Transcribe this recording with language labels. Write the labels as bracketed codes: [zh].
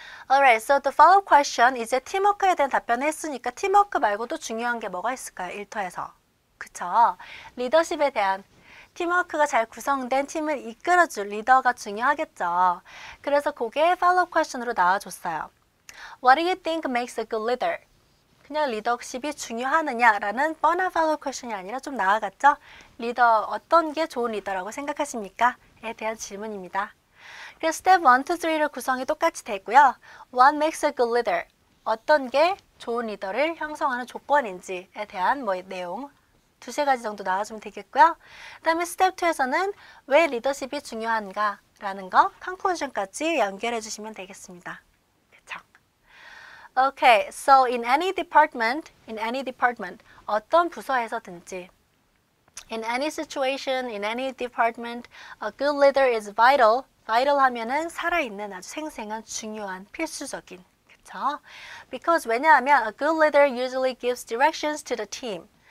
[en] Alright, so the follow-up question. [ko] 이제 팀워크에 대한 답변을 했으니까 팀워크 말고도 중요한 게 뭐가 있을까요? 일터에서. 그쵸? 리더십에 대한 팀워크가 잘 구성된 팀을 이끌어줄 리더가 중요하겠죠? 그래서 그게 follow-up question으로 나와줬어요. [en] What do you think makes a good leader? [ko] 그냥 리더십이 중요하느냐라는 뻔한 follow-up question이 아니라 좀 나아갔죠? 리더, 어떤 게 좋은 리더라고 생각하십니까?에 대한 질문입니다. 그래서 스텝 1, 2, 3로 구성이 똑같이 되고요. [en] What makes a good leader? [ko] 어떤 게 좋은 리더를 형성하는 조건인지에 대한 뭐 내용 두세 가지 정도 나와주면 되겠고요. 그다음에 스텝 2에서는 왜 리더십이 중요한가라는 거 컨클루전까지 연결해 주시면 되겠습니다. 그쵸? [en] Okay, so in any department, [ko] 어떤 부서에서든지 [en] in any situation, in any department, a good leader is vital. [ko] Vital 하면은 살아있는 아주 생생한 중요한 필수적인 그쵸? [en] Because [ko] 왜냐하면 [en] a good leader usually gives directions to the team.